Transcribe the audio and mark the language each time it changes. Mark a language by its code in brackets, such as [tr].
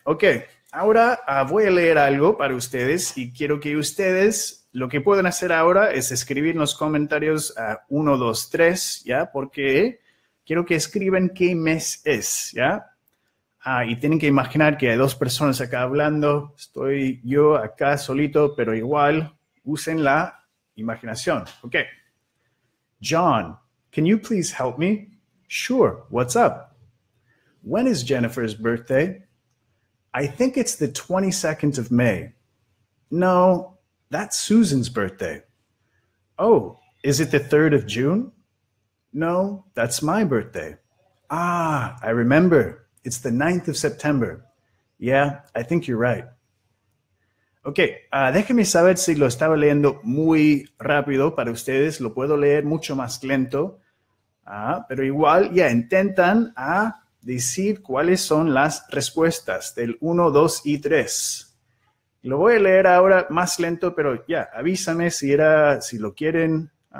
[es] Ok, ahora voy a leer algo para ustedes y quiero que ustedes, lo que pueden hacer ahora es escribir en los comentarios a 1, 2, 3, ¿ya? Porque quiero que escriban qué mes es, ¿ya? Y tienen que imaginar que hay dos personas acá hablando. Estoy yo acá solito, pero igual usen la imaginación. [en] Okay. John, can you please help me? Sure. What's up? When is Jennifer's birthday? I think it's the 22nd of May. No, that's Susan's birthday. Oh, is it the 3rd of June? No, that's my birthday. Ah, I remember. It's the 9th of September. Yeah, I think you're right. [es] Ok, déjenme saber si lo estaba leyendo muy rápido para ustedes. Lo puedo leer mucho más lento. Pero igual, ya intentan a decir cuáles son las respuestas del 1, 2 y 3. Lo voy a leer ahora más lento, pero ya, avísame si era, si lo quieren.